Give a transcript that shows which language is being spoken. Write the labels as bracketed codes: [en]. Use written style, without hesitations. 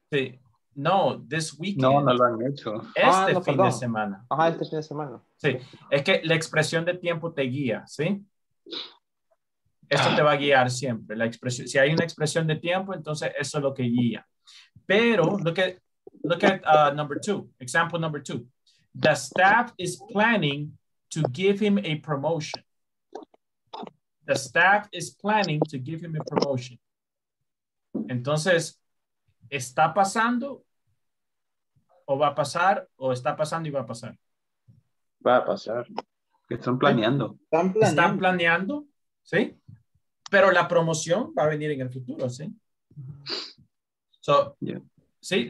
[en] Sí. No, this weekend. [es] No, no lo han hecho. Este fin de semana. Ajá, este fin de semana. Sí. Es que la expresión de tiempo te guía, ¿sí? Esto te va a guiar siempre. La expresión, si hay una expresión de tiempo, entonces eso es lo que guía. [en] Pero, look at number two. Example number two. The staff is planning to give him a promotion. The staff is planning to give him a promotion. [es] Entonces, ¿está pasando o va a pasar o está pasando y va a pasar? Va a pasar. Están planeando. Están planeando. Están planeando, ¿sí? Pero la promoción va a venir en el futuro, ¿sí? So, yeah. ¿Sí?